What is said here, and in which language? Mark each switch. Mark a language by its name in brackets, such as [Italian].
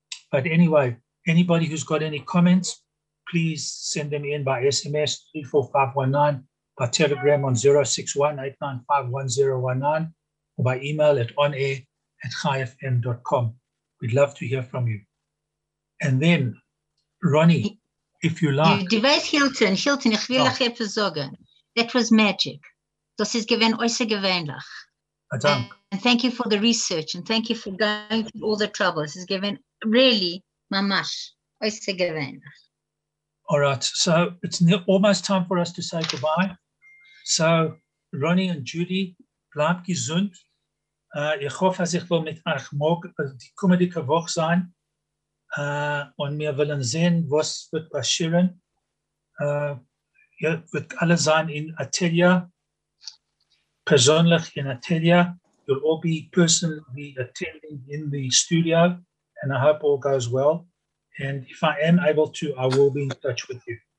[English] But anyway, anybody who's got any comments, please send them in by SMS 34519, by telegram on 061-895-1019, or by email at onair@chaifm.com. We'd love to hear from you. And then, Ronnie, if you like. [German] Du weißt, Hilton, ich will dich etwas sagen. [English] That was magic. [German] Das ist gewesen außergewöhnlich. [English] And thank you for the research, and thank you for going through all the trouble. This is given really, mamash, außergewöhnlich. All right, so it's almost time for us to say goodbye. So, Ronnie and Judy, [German] bleibt gesund. Ich hoffe, dass ich will mit euch morgen die kommende Woche sein. Und wir wollen sehen, was wird passieren. Ihr wird alle sein in Atelier, persönlich in Atelier. [English] you'll all be personally attending in the studio, and I hope all goes well. And if I am able to, I will be in touch with you.